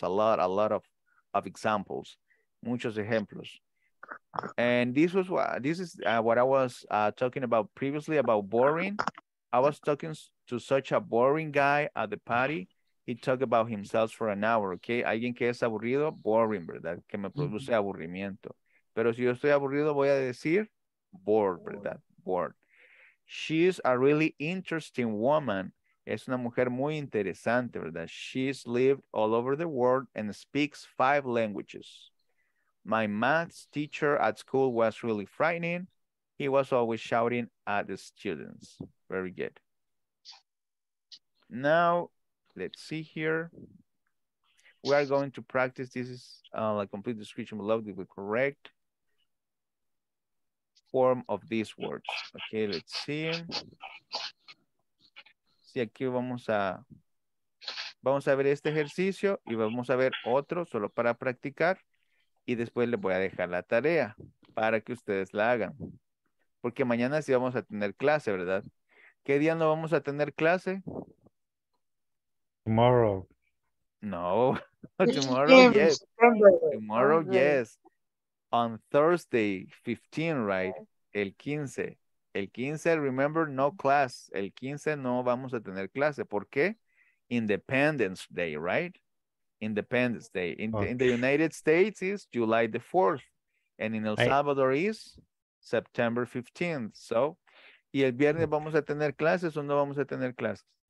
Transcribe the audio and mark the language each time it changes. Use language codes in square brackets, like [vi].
[en] A lot of examples. [es] Muchos ejemplos. [en] And this is what I was talking about previously about boring. I was talking to such a boring guy at the party. He talked about himself for an hour, okay? [es] Alguien que es aburrido, boring, ¿verdad? Que me produce aburrimiento. Pero si yo estoy aburrido, voy a decir bored, ¿verdad? [en] Bored. She's a really interesting woman. [es] Es una mujer muy interesante, ¿verdad? [en] She's lived all over the world and speaks 5 languages. My maths teacher at school was really frightening. He was always shouting at the students. Very good. Now, let's see here. We are going to practice. This is a complete description below the correct form of these words. Okay, let's see. [es] Sí, aquí vamos a ver este ejercicio y vamos a ver otro solo para practicar. Y después les voy a dejar la tarea para que ustedes la hagan. Porque mañana sí vamos a tener clase, ¿verdad? ¿Qué día no vamos a tener clase? [en] Tomorrow. No. Tomorrow, yes. Tomorrow, yes. On Thursday, 15, right? [es] El 15. El 15, [en] remember, no class. [es] El 15 no vamos a tener clase. ¿Por qué? [en] Independence Day, right? Independence Day. In the United States is July the 4th. And in El Salvador is September 15th. [es] So, ¿y el viernes vamos a tener clases o no vamos a tener clases?